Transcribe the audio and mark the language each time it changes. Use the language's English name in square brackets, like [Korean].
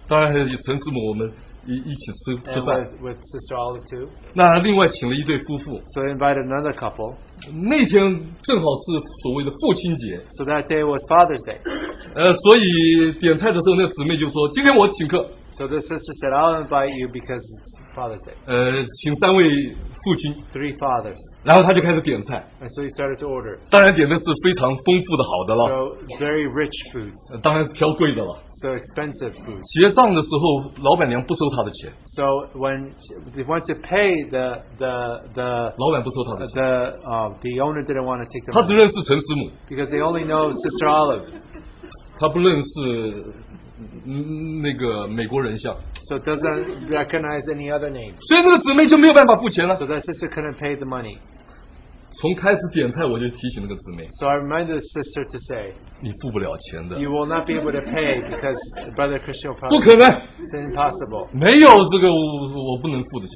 [Chinese] 当然陈师母我们一起吃饭。 [English] And with Sister Olive too. [Chinese] 那另外请了一对夫妇。 [English] So he invited another couple. [Chinese] 那天正好是所谓的父亲节。 [English] So that day was Father's Day. [Chinese] 所以点菜的时候那姊妹就说今天我请客。 [English] So the sister said I'll invite you because it's Father's Day. [Chinese] 请三位父亲。 [English] Three fathers. [Chinese] 然后他就开始点菜。 [English] And so he started to order. [Chinese] 当然点的是非常丰富的好的了。 [English] So very rich foods. [Chinese] 当然是挑贵的了。 [English] So expensive foods. [Chinese] 结账的时候老板娘不收他的钱。 [English] So when they want to pay the [Chinese] 老板不收他的钱。 [English] The owner didn't want to take the money. [Chinese] 他只认识陈师母。 [English] Because they only know Sister Olive. [Chinese] 他不认识那个美国人像。 [English] So doesn't recognize any other name. [Chinese] 所以那个姊妹就没有办法付钱了。 [English] So that sister couldn't pay the money. [Chinese] 从开始点菜我就提醒那个姊妹。 [English] So I reminded the sister to say, [Chinese] 你付不了钱的。 [English] You will not be able to pay because Brother Christian will probably. [Chinese] 不可能。 [English] It's impossible. [Chinese] 没有这个我不能付的钱。